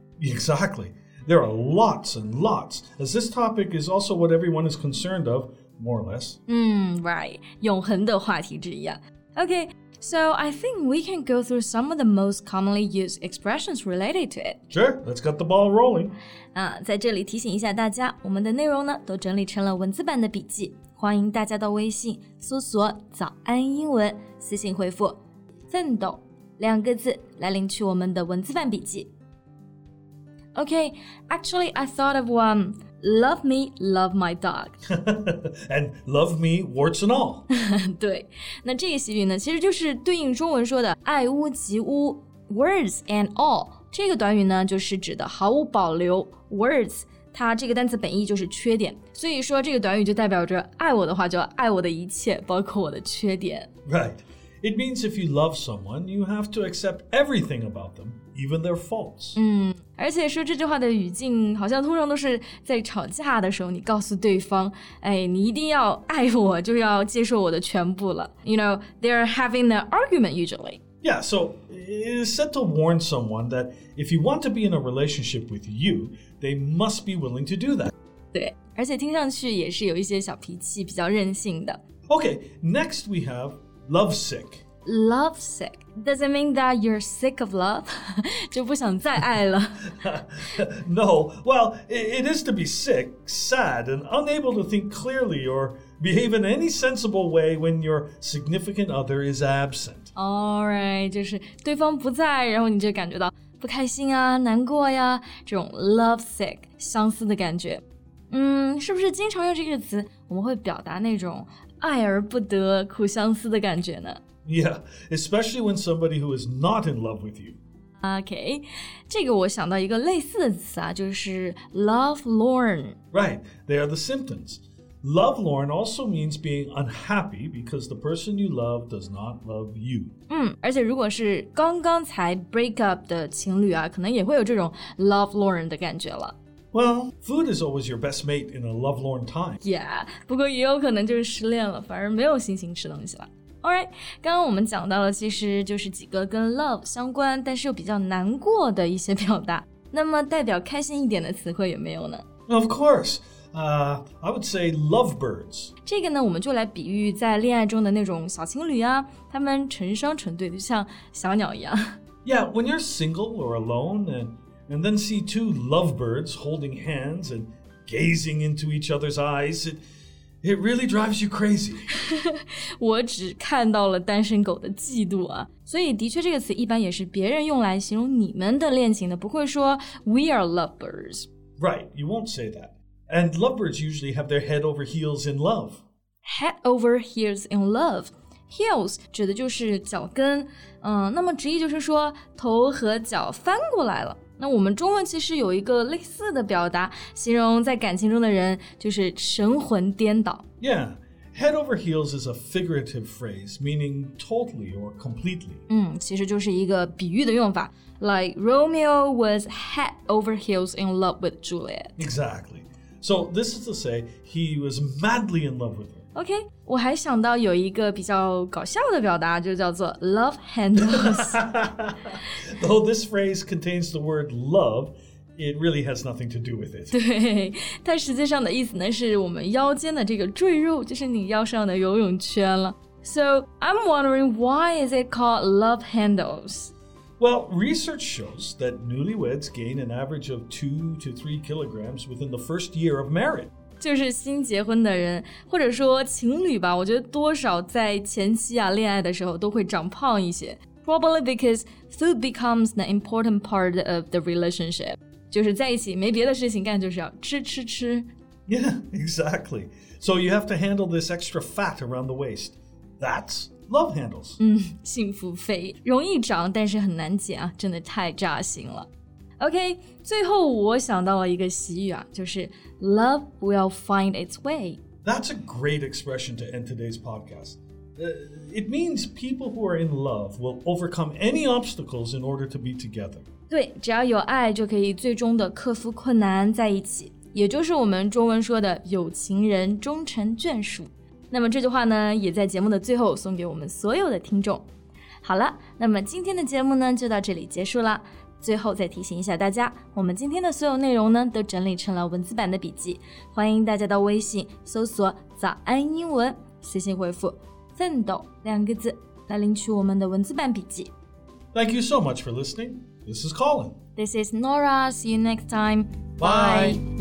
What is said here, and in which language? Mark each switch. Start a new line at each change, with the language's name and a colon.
English: ？Exactly. There are lots and lots, as this topic is also what everyone is concerned of, more or less.
Chinese: Right. 永恒的话题之一啊。Okay.
English: So I think we can go through some of the most commonly used expressions related to it. Sure, let's get the ball rolling.
Chinese: 在这里提醒一下大家，我们的内容呢都整理成了文字版的笔记，欢迎大家到微信搜索“早安英文”，私信回复“奋斗”两个字来领取我们的文字版笔记。
English: Okay, actually, I thought of one. Love me, love my dog. And love me, warts and all.
Chinese: 对，那这个习语呢，其实就是对应中文说的爱屋及乌 ,
English: words and all.
Chinese: 这个短语呢，就是指的毫无保留 ,words. 它这个单词本意就是缺点。所以说这个短语就代表着爱我的话就爱我的一切，包括我的缺点。
English: Right. It means if you love someone, you have to accept everything about them. Even their faults.
Chinese: 而且说这句话的语境好像通常都是在吵架的时候你告诉对方哎，你一定要爱我就要接受我的全部了。
English: You know, they're having an argument usually. Yeah, so it is said to warn someone that if you want to be in a relationship with you, they must be willing to do that.
Chinese: 对，而且听上去也是有一些小脾气比较任性的。
English: Okay, next we have lovesick. Lovesick. Does it mean that you're sick of love?
Chinese: 就不想再爱了。
English: No. Well, it is to be sick, sad, and unable to think clearly or behave in any sensible way when your significant other is absent. All right.
Chinese: 就是对方不在然后你就感觉到不开心啊难过呀这种 lovesick, 相思的感觉。是不是经常用这个词我们会表达那种爱而不得苦相思的感觉呢
English: Yeah, especially when somebody who is not in love with you.
Chinese: Okay, 这个我想到一个类似的词啊就是 lovelorn.
English: Right, they are the symptoms. Lovelorn also means being unhappy because the person you love does not love you.
Chinese: 而且如果是刚刚才
English: break up
Chinese: 的情侣啊可能也会有这种 lovelorn 的感觉了。
English: Well, food is always your best mate in a lovelorn time.
Chinese: Yeah, 不过也有可能就是失恋了反而没有心情吃东西了。 Alright, 刚刚我们讲到了其实就是几个跟 love 相关但是又比较难过的一些表达。那么代表开心一点的词汇有没有呢
English: Of course, I would say lovebirds.
Chinese: 这个呢我们就来比喻在恋爱中的那种小情侣啊他们成双成对就像小鸟一样。
English: Yeah, when you're single or alone and then see two lovebirds holding hands and gazing into each other's eyes, it really drives you crazy.
Chinese: 我只看到了单身狗的嫉妒啊。所以的确这个词一般也是别人用来形容你们的恋情的不会说
English: we are lovebirds. Right, you won't say that. And lovebirds usually have their head over heels in love. Head over heels in love.
Chinese: Heels 指的就是脚跟那么直译就是说头和脚翻过来了。那我们中文其实有一个类似的表达形容在感情中的人就是神魂颠倒
English: Yeah, head over heels is a figurative phrase meaning totally or completely
Chinese: 其实就是一个比喻的用法
English: Like Romeo was head over heels in love with Juliet Exactly, so this is to say he was madly in love with her
Chinese: OK, 我还想到有一个比较搞笑的表达就叫做 love handles.
English: Though this phrase contains the word love, it really has nothing to do with it.
Chinese: 对,它实际上的意思呢是我们腰间的这个坠入就是你腰上的游泳圈了。
English: So, I'm wondering why is it called love handles? Well, research shows that newlyweds gain an average of 2 to 3 kilograms within the first year of marriage.
Chinese: 就是新结婚的人或者说情侣吧我觉得多少在前期啊恋爱的时候都会长胖一些
English: Probably because food becomes an important part of the relationship
Chinese: 就是在一起没别的事情干就是要吃吃吃
English: Yeah, exactly So you have to handle this extra fat around the waist That's love handles
Chinese: 幸福肥容易长但是很难减啊真的太扎心了OK, 最后我想到了一个习语啊就是
English: love will find its way. That's a great expression to end today's podcast. It means people who are in love will overcome any obstacles in order to be together.
Chinese: 对,只要有爱就可以最终的克服困难在一起。也就是我们中文说的有情人终成眷属。那么这句话呢也在节目的最后送给我们所有的听众。好了那么今天的节目呢就到这里结束了。最后再提醒一下大家我们今天的所有内容呢都整理成了文字版的笔记欢迎大家到微信搜索早安英文私信回复奋斗两个字来领取我们的文字版笔记
English: Thank you so much for listening This is Colin This is Nora See you next time Bye